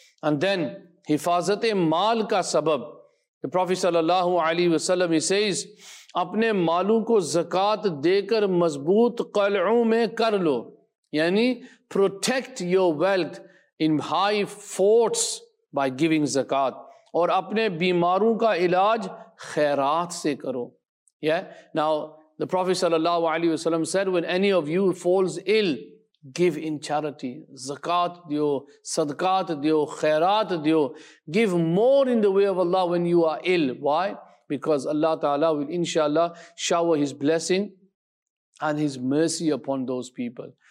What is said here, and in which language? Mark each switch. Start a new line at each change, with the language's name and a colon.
English: And then,
Urdu: hifazat-e maal ka sabab.
English: The Prophet sallallahu alaihi wasallam, he says,
Urdu: اپنے مالوں کو زکاة دے کر مضبوط قلعوں میں کر لو.
English: یعنی protect your wealth in high forts by giving zakat.
Urdu: اور اپنے بیماروں کا علاج خیرات سے کرو.
English: Yeah? Now, the Prophet sallallahu alaihi wasallam said, when any of you falls ill, give in charity.
Urdu: زکاة دیو, صدقات دیو, خیرات دیو.
English: Give more in the way of Allah when you are ill. Why? Because Allah Ta'ala will inshallah shower his blessing and his mercy upon those people.